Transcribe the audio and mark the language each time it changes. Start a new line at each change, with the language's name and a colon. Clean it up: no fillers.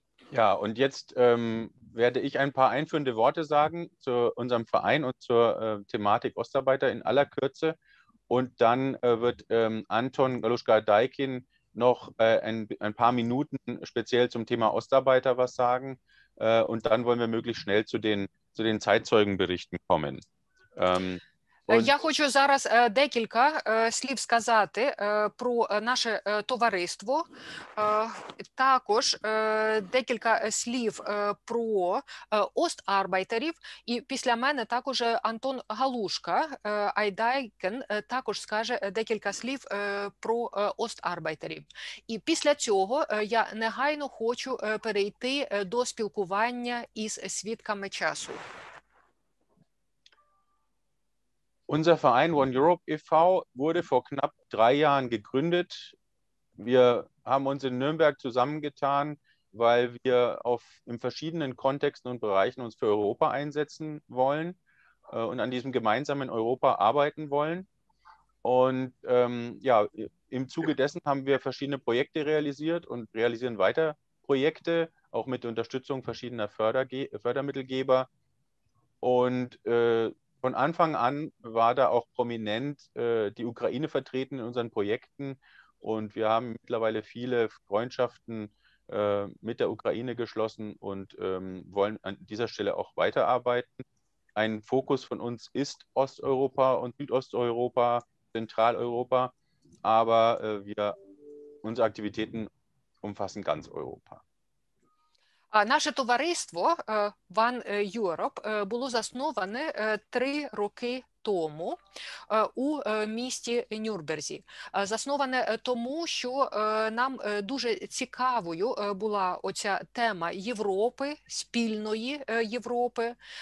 German: Ja, und jetzt werde ich ein paar einführende Worte sagen zu unserem Verein und zur Thematik Ostarbeiter in aller Kürze. Und dann wird Anton Galuschka-Daikin noch ein paar Minuten speziell zum Thema Ostarbeiter was sagen. Und dann wollen wir möglichst schnell zu den Zeitzeugenberichten kommen.
Ukrainian: Я хочу зараз декілька слів сказати про наше товариство, також декілька слів про остарбайтерів, і після мене також Антон Галушка Айдайкен також скаже декілька слів про остарбайтерів. І після цього я негайно хочу перейти до спілкування із свідками часу.
German: Unser Verein One Europe e.V. wurde vor knapp 3 Jahren gegründet. Wir haben uns in Nürnberg zusammengetan, weil wir in verschiedenen Kontexten und Bereichen uns für Europa einsetzen wollen und an diesem gemeinsamen Europa arbeiten wollen. Und ja, im Zuge dessen haben wir verschiedene Projekte realisiert und realisieren weiter Projekte, auch mit Unterstützung verschiedener Fördermittelgeber. Und von Anfang an war da auch prominent die Ukraine vertreten in unseren Projekten und wir haben mittlerweile viele Freundschaften mit der Ukraine geschlossen und wollen an dieser Stelle auch weiterarbeiten. Ein Fokus von uns ist Osteuropa und Südosteuropa, Zentraleuropa, aber unsere Aktivitäten umfassen ganz Europa.
Ukrainian: Наше товариство One Europe було засноване 3 роки тому у місті Нюрнберзі. Засноване тому, що нам дуже цікавою була оця тема Європи, спільної Європи.